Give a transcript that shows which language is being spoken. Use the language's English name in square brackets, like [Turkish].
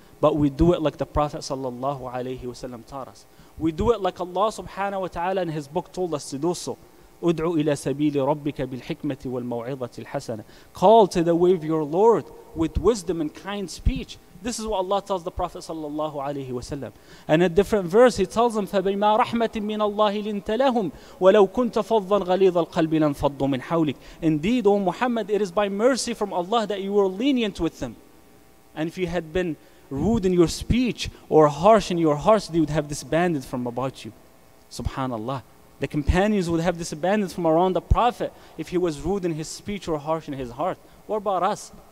[English] But we do it like the Prophet sallallahu alayhi wa sallam taught us. We do it like Allah subhanahu wa ta'ala in his book told us to do so. [Arabic] Ud'u ila sabili rabbika bil hikmati wal maw'idhati al-hasana. [English] Call to the way of your Lord with wisdom and kind speech. This is what Allah tells the Prophet sallallahu alayhi wa sallam. And a different verse, he tells him, [Arabic] فَبِمَا رَحْمَةٍ مِّنَ اللَّهِ لِنْتَ لَهُمْ وَلَوْ كُنْتَ فَضًّا غَلِيظَ الْقَلْبِ لَنْفَضُّ مِنْ حَوْلِكَ. [English] Indeed, O Muhammad, it is by mercy from Allah that you were lenient with them. And if you had been rude in your speech or harsh in your hearts, they would have disbanded from about you. Subhanallah. The companions would have disbanded from around the Prophet if he was rude in his speech or harsh in his heart. What about us?